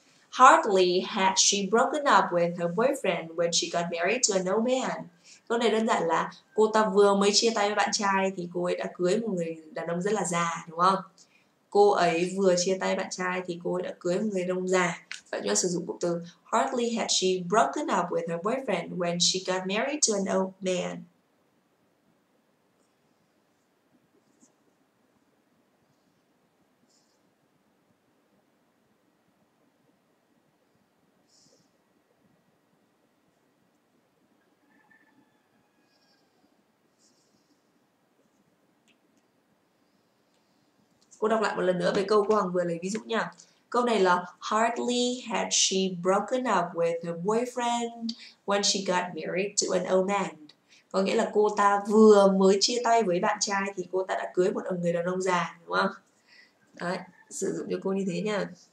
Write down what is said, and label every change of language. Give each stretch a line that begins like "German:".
English: Hardly had she broken up with her boyfriend when she got married to an old man.
Vietnamese: Câu này đơn giản là cô ta vừa mới chia tay với bạn trai thì cô ấy đã cưới một người đàn ông rất là già, đúng không? Cô ấy vừa chia tay bạn trai thì cô ấy đã cưới một người đàn ông già. Vậy chúng ta sử dụng cụm từ
English: hardly had she broken up with her boyfriend when she got married to an old man.
Vietnamese: Cô đọc lại một lần nữa về câu cô Hằng vừa lấy ví dụ nha. Câu này là
English: hardly had she broken up with her boyfriend when she got married to an old man.
Vietnamese: Có nghĩa là cô ta vừa mới chia tay với bạn trai thì cô ta đã cưới một người đàn ông già, đúng không? Đấy, sử dụng cho cô như thế nha.